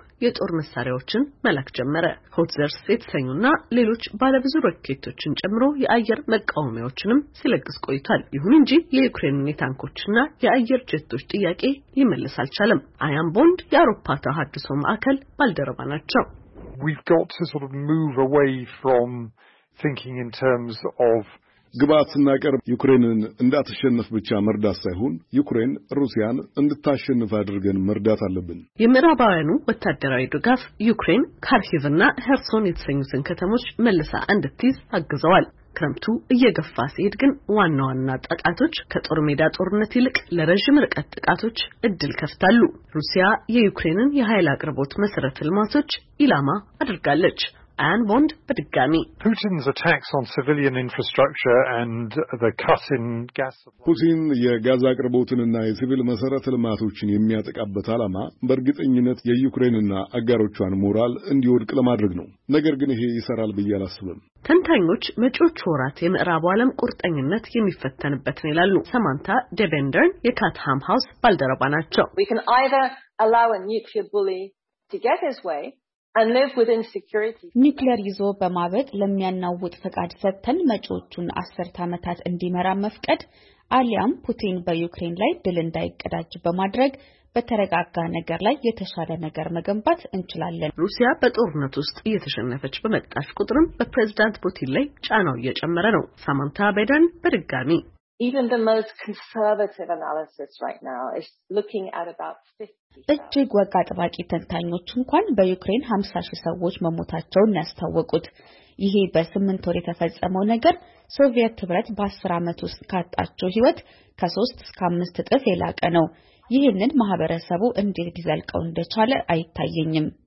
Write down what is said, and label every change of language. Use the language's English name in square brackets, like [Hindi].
[Amharic] የጦር መሳሪያዎችን መላክ ጀመረ። ሆትዘርስ የተሰኙና ሌሎች ባለብዙ ሮኬቶችን ጨምሮ የአየር መቃወሚያዎችንም ሲለግስ ቆይቷል። ይሁን እንጂ የዩክሬንን የታንኮችና የአየር ጀቶች ጥያቄ ሊመልስ አልቻለም። አያን ቦንድ የአውሮፓ ተሃድሶ ማዕከል ባልደረባ ናቸው። [English] We've got to sort of move away from thinking in terms of [Amharic] ግባትና ቅርብ ዩክሬንን እንድታሸንፍ ብቻ መርዳት ሳይሆን ዩክሬን ሩሲያን እንድታሸንፍ አድርገን መርዳት አለብን። የምዕራባውያኑ ወታደራዊ ድጋፍ ዩክሬን ካርኪቭና ኸርሶን የተሰኙትን ከተሞች መልሳ እንድትይዝ አግዘዋል። ክረምቱ እየገፋ ሲሄድ ግን ዋና ዋና ጣቃቶች ከጦር ሜዳ ጦርነት ይልቅ ለረጅም ርቀት ጣቃቶች እድል ከፍታሉ። ሩሲያ የዩክሬንን የኃይል አቅርቦት መሰረተ ልማቶች ኢላማ አድርጋለች። [English] And Bond, but gummy. Putin's attacks on civilian infrastructure and the cut in gas supply. [Amharic] Putin የጋዝ አቅርቦትንና የሲቪል መሰረተ ልማቶችን የሚያጠቃበት አላማ በርግጠኝነት የዩክሬንና አጋሮቿን ሞራል እንዲወድቅ ለማድረግ ነው። ነገር ግን ይሄ ይሰራል ብዬ አላስብም። ተንታኞች መጪዎቹ ወራት የምዕራቡ ዓለም ቁርጠኝነት የሚፈተንበት ነው ይላሉ። ሰማንታ ዴቨንደርን የካትሃም ሃውስ ባልደረባ ናቸው። [English] We can either allow a nuclear bully to get his way and live within security. [Amharic] ኒውክሌር ይዞ በማበጥ ለሚያናውጥ ፈቃድ ሰጥተን መጪዎቹን 10 ዓመታት እንዲመራ መፍቀድ፣ አሊያም ፑቲን በዩክሬን ላይ ድል እንዳይቀዳጅ በማድረግ በተረጋጋ ነገር ላይ የተሻለ ነገር መገንባት እንችላለን። ሩሲያ በጦርነት ውስጥ እየተሸነፈች በመጣች ቁጥርም በፕሬዝዳንት ፑቲን ላይ ጫናው እየጨመረ ነው። ሳማንታ ቤደን በድጋሚ [English] Even the most conservative analysis right now is looking at about 50. [Amharic] እጅግ ወጋጥባቂ ተንታኞች እንኳን በዩክሬን 50 ሺህ ሰዎች መሞታቸውን ያስታወቁት ይሄ በ8 ወር የተፈጸመው ነገር ሶቪየት ህብረት በ10 አመት ውስጥ ካጣቸው ህይወት ከ3 እስከ 5 እጥፍ የላቀ ነው። ይሄንን ማህበረሰቡ እንዴት ይዘልቀው እንደቻለ አይታየኝም።